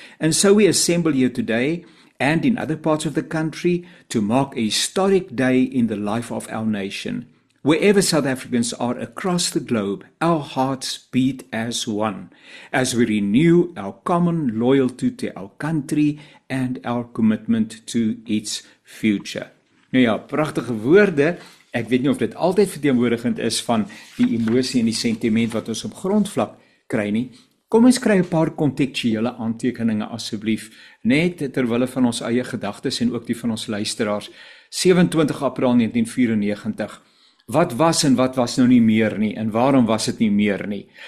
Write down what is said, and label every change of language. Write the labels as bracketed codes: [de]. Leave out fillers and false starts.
[en] And so we assemble here today and in other parts of the country to mark a historic day in the life of our nation. Wherever South Africans are across the globe, our hearts beat as one, as we renew our common loyalty to our country and our commitment to its future." [af] Nou ja, pragtige woorde. Ek weet nie of dit altyd verteenwoordigend is van die emosie en die sentiment wat ons op grondvlak kry nie. Kom ons kry 'n paar kontekstuele aantekeninge asseblief, net terwille van ons eie gedagtes en ook die van ons luisteraars. 27 April 1994. Wat was en wat was nou nie meer nie en waarom was dit nie meer nie?